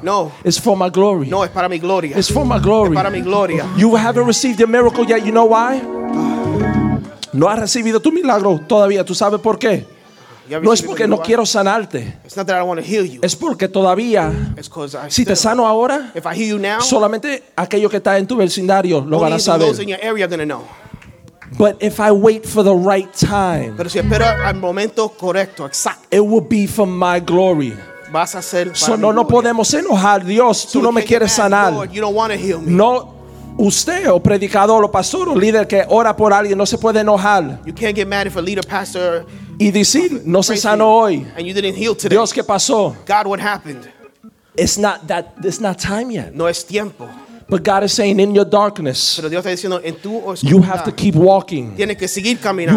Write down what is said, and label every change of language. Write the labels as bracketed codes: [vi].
[es] No. [en] It's for my glory. [es] No, es para mi gloria. [en] It's for my glory. [es] Es para mi gloria. [en] You haven't received your miracle yet. You know why? [es] No has recibido tu milagro todavía. ¿Tú sabes por qué? No es porque no quiero sanarte. [en] It's not that I want to heal you. [es] Es porque todavía, si te sano ahora, [en] if I heal you now, [es] solamente aquello que está en tu vecindario lo van a saber. [en] Those in your area are gonna know. But if I wait for the right time, [es] pero si espero al momento correcto, exacto, [en] it will be for my glory. [es] Vas a ser para so no, no podemos enojar. Dios, tú [en] so [es] no me quieres sanar. [en] Lord, you don't want to heal me. [es] No. Usted o predicador o pastor o líder que ora por alguien no se puede enojar. [en] You can't get mad if a leader, pastor, [es] y decir no se sanó hoy. [en] And you didn't heal today. [es] Dios, ¿qué pasó? [en] God, what happened? It's not that. It's not time yet. [es] No es tiempo. [en] But God is saying, in your darkness, [es] pero Dios está diciendo, en tu oscuridad, [en] you have to keep walking. [es] Tienes que seguir caminando.